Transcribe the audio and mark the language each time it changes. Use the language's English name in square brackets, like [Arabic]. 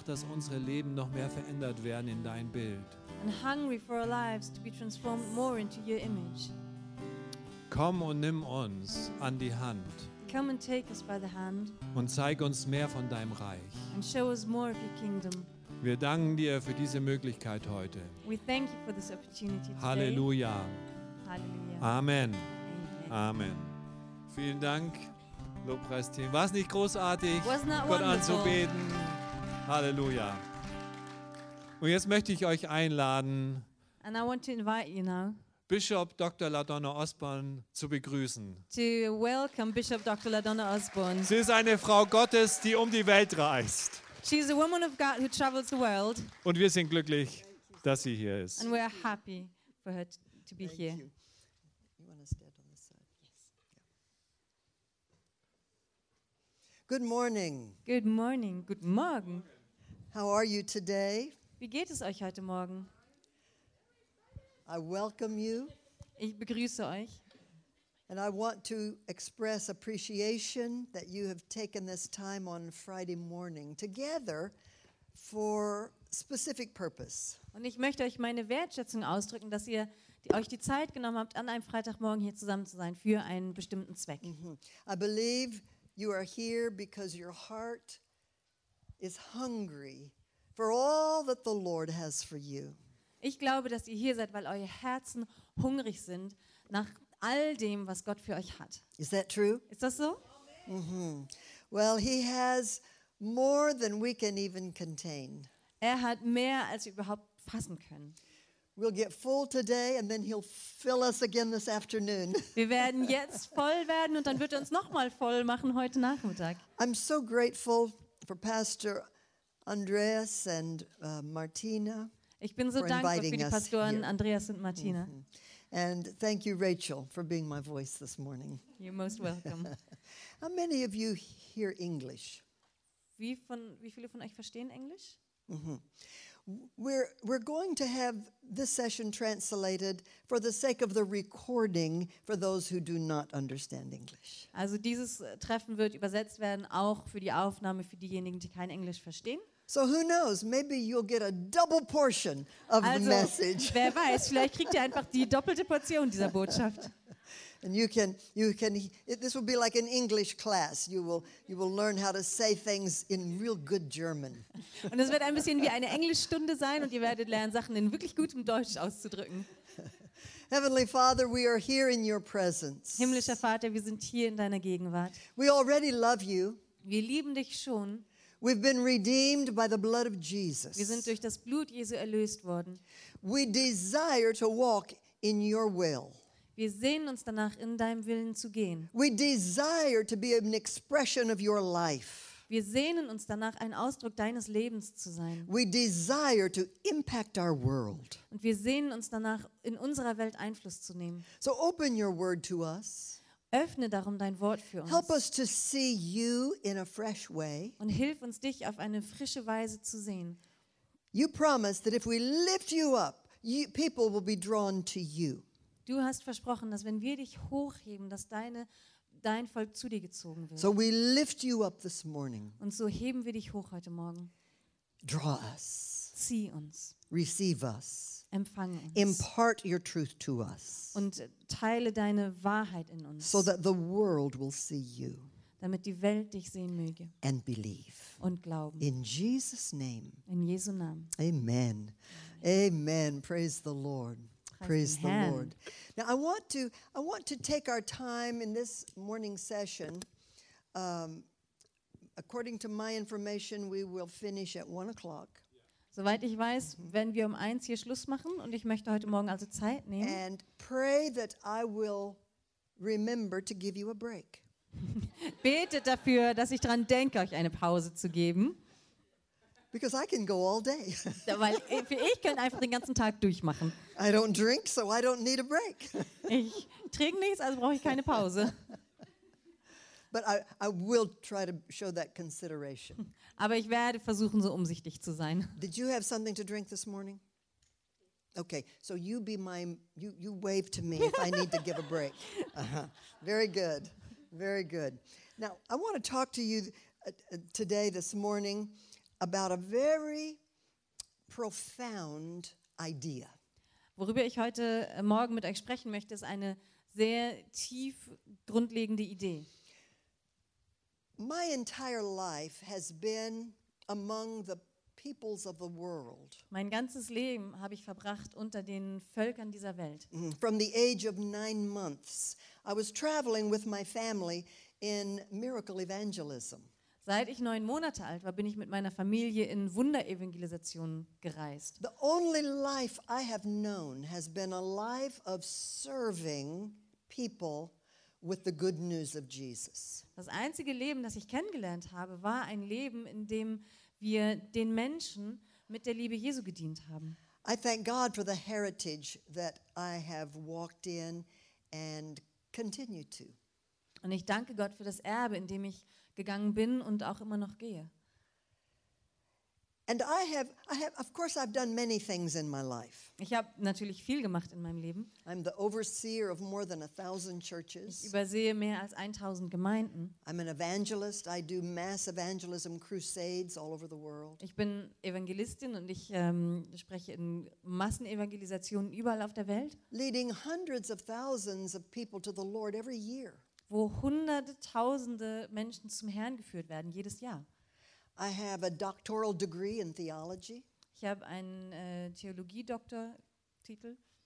[German] dass unsere Leben noch mehr verändert werden in dein Bild. [English] And hungry for our lives to be transformed more into your image. [German] Komm und nimm uns an die Hand. [English] Come and take us by the hand. [German] Und zeig uns mehr von deinem Reich. [English] And show us more of your kingdom. [German] Wir danken dir für diese Möglichkeit heute. [English] We thank you for this opportunity today. [German] Halleluja. Halleluja. Amen. Amen. Vielen Dank, Lobpreisteam. War es nicht großartig, Gott anzubeten? Halleluja. Und jetzt möchte ich euch einladen, [English] and I want to invite you now, [German] Bishop Dr. LaDonna Osborne zu begrüßen. [English] To welcome Bishop Dr. LaDonna Osborne. [German] Sie ist eine Frau Gottes, die um die Welt reist. [English] She's a woman of God who travels the world. [German] Und wir sind glücklich, dass sie hier ist. [English] And we're happy for her to be here. Good morning. Good morning. Good morgen. How are you today? [German] Wie geht es euch heute morgen? [English] I welcome you. [German] Ich begrüße euch. [English] And I want to express appreciation that you have taken this time on Friday morning together for specific purpose. [German] Und ich möchte euch meine Wertschätzung ausdrücken, dass ihr euch die Zeit genommen habt, an einem Freitagmorgen hier zusammen zu sein für einen bestimmten Zweck. Mm-hmm. [English] I believe you are here because your heart is hungry for all that the Lord has for you. [German] Ich glaube, dass ihr hier seid, weil eure Herzen hungrig sind nach all dem, was Gott für euch hat. [English] Is that true? [German] Ist das so? Mm-hmm. [English] Well, he has more than we can even contain. [German] Er hat mehr, als wir überhaupt fassen können. [English] We'll get full today and then he'll fill us again this afternoon. [German] Wir werden jetzt voll werden und dann wird er uns noch mal voll machen heute Nachmittag. [English] I'm so grateful for Pastor Andreas and Martina. [German] Ich bin so dankbar für die Pastoren Andreas und Martina. Mm-hmm. [English] And thank you Rachel for being my voice this morning. You're most welcome. How many of you hear English? [German] Wie viele von euch verstehen Englisch? Mhm. [English] We're going to have this session translated for the sake of the recording for those who do not understand English. [German] Also dieses Treffen wird übersetzt werden auch für die Aufnahme für diejenigen, die kein Englisch verstehen. [English] So who knows, maybe you'll get a double portion of [German] also, [English] the message. [German] Wer weiß, vielleicht kriegt ihr einfach die doppelte Portion dieser Botschaft. [English] And this will be like an English class. You will learn how to say things in real good German. [German] Und es wird ein bisschen wie eine Englischstunde sein und ihr werdet lernen, Sachen in wirklich gutem Deutsch auszudrücken. [English] Heavenly Father, we are here in your presence. [German] Himmlischer Vater, wir sind hier in deiner Gegenwart. [English] We already love you. [German] Wir lieben dich schon. [English] We've been redeemed by the blood of Jesus. [German] Wir sind durch das Blut Jesu erlöst worden. [English] We desire to walk in your will. [German] Wir sehen uns danach, in deinem Willen zu gehen. [English] We desire to be an expression of your life. [German] Wir sehnen uns danach, ein Ausdruck deines Lebens zu sein. [English] We desire to impact our world. [German] Und wir sehnen uns danach, in unserer Welt Einfluss zu nehmen. [English] So open your word to us. [German] Öffne darum dein Wort für uns. [English] Help us to see you in a fresh way. [German] Und hilf uns, dich auf eine frische Weise zu sehen. [English] You promise that if we lift you up, people will be drawn to you. [German] Du hast versprochen, dass wenn wir dich hochheben, dass dein Volk zu dir gezogen wird. [English] So we lift you up this morning. [German] Und so heben wir dich hoch heute Morgen. [English] Draw us. [German] Zieh uns. [English] Receive us. [German] Empfang uns. [English] Impart your truth to us. [German] Und teile deine Wahrheit in uns. [English] So that the world will see you. [German] Damit die Welt dich sehen möge. [English] And believe. [German] Und glauben. [English] In Jesus' name. [German] In Jesu Namen. [English] Amen. Amen. Amen. Praise the Lord. Praise the Lord. Now I want to take our time in this morning session. According to my information, we will finish at 1 o'clock. [German] Soweit ich weiß, werden wir um eins hier Schluss machen, und ich möchte heute Morgen also Zeit nehmen. [English] And pray that I will remember to give you a break. [German] Betet dafür, dass ich dran denke, euch eine Pause zu geben. [English] Because I can go all day. [German] Weil ich kann einfach den ganzen Tag durchmachen. [English] I don't drink, so I don't need a break. [German] Ich trinke nichts, also brauche ich keine Pause. [English] But I will try to show that consideration. [German] Aber ich werde versuchen, so umsichtig zu sein. [English] Did you have something to drink this morning? Okay, so you be my, you wave to me if I need to give a break. Uh-huh. Very good, very good. Now, I want to talk to you today, this morning, about a very profound idea. [German] Worüber ich heute Morgen mit euch sprechen möchte, ist eine sehr tief grundlegende Idee. [English] My entire life has been among the peoples of the world. [German] Mein ganzes Leben habe ich verbracht unter den Völkern dieser Welt. [English] From the age of 9 months, I was traveling with my family in miracle evangelism. [German] Seit ich 9 Monate alt war, bin ich mit meiner Familie in Wunderevangelisation gereist. [English] The only life I have known has been a life of serving people with the good news of Jesus. [German] Das einzige Leben, das ich kennengelernt habe, war ein Leben, in dem wir den Menschen mit der Liebe Jesu gedient haben. [English] I thank God for the heritage that I have walked in and continue to. [German] Und ich danke Gott für das Erbe, in dem ich gegangen bin und auch immer noch gehe. [English] And I have of course I've done many things in my life. [German] Ich habe natürlich viel gemacht in meinem Leben. [English] I'm the overseer of more than 1,000 churches. [German] Ich übersehe mehr als 1,000 Gemeinden. [English] I'm an evangelist. I do mass evangelism crusades all over the world. [German] Ich bin Evangelistin und ich spreche in Massenevangelisationen überall auf der Welt. [English] Leading hundreds of thousands of people to the Lord every year. [German] Wo hunderttausende Menschen zum Herrn geführt werden jedes Jahr. [English] I have a doctoral degree in theology. [German] Ich habe einen Theologie-Doktortitel.